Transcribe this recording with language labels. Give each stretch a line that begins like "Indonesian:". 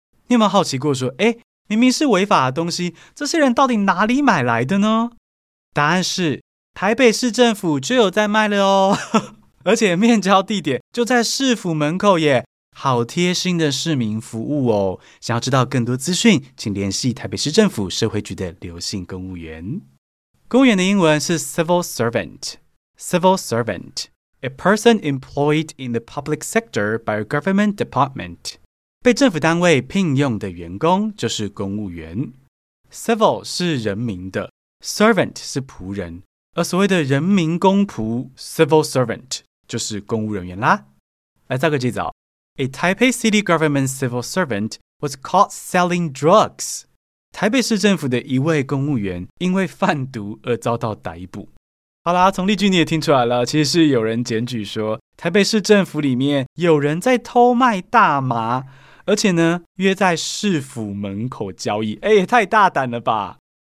Chinese: 你有没有好奇过说，诶，明明是违法的东西，这些人到底哪里买来的呢？答案是台北市政府就有在卖了哦。而且面交地点就在市府门口耶，好贴心的市民服务哦。想要知道更多资讯，请联系台北市政府社会局的刘姓公务员。公务员的英文是
English: civil servant， civil servant， a person employed in the public sector by a government department，
Chinese: 被政府单位聘用的员工就是公务员。 civil 是人民的， servant 是仆人，而所谓的人民公仆 civil servant 就是公务人员啦。来造个句子哦，
English: A Taipei City Government civil servant was caught selling drugs.
Chinese: 台北市政府的一位公务员因为贩毒而遭到逮捕。好啦，从例句你也听出来了，其实是有人检举说台北市政府里面有人在偷卖大麻，而且呢约在市府门口交易，哎，也太大胆了吧。